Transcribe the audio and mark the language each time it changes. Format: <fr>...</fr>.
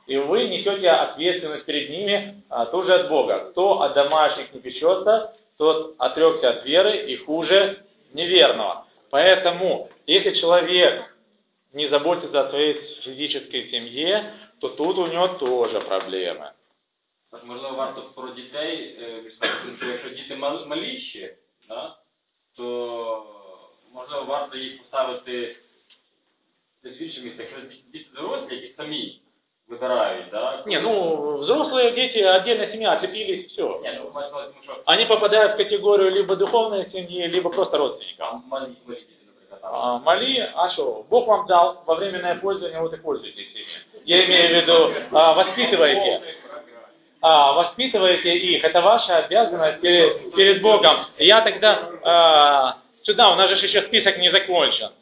<ru>И вы несете ответственность перед ними тоже от Бога. Кто от домашних не печется, тот отрекся от веры и хуже неверного. Поэтому, если человек не заботится о своей физической семье, то тут у него тоже проблемы.</ru> <uk>Возможно, варто про дітей, якщо діти маліші, да, то можливо варто їх поставити це більше місце. Якщо діти дорослі, які самі вибирають, да? Ні, взрослі діти, віддільна сім'я, отепились, все. Ні, можливо, тому що... Вони попадають в категорію либо духовної сім'ї, либо</uk> <ru>просто родственника.</ru> <uk>Малі діти.</uk> <ru>Мали, а что? Бог вам дал во временное пользование, вот и пользуйтесь ими. Я имею в виду, воспитывайте. Воспитывайте их. Это ваша обязанность перед Богом. Я тогда сюда, у нас же еще список не закончен.</ru>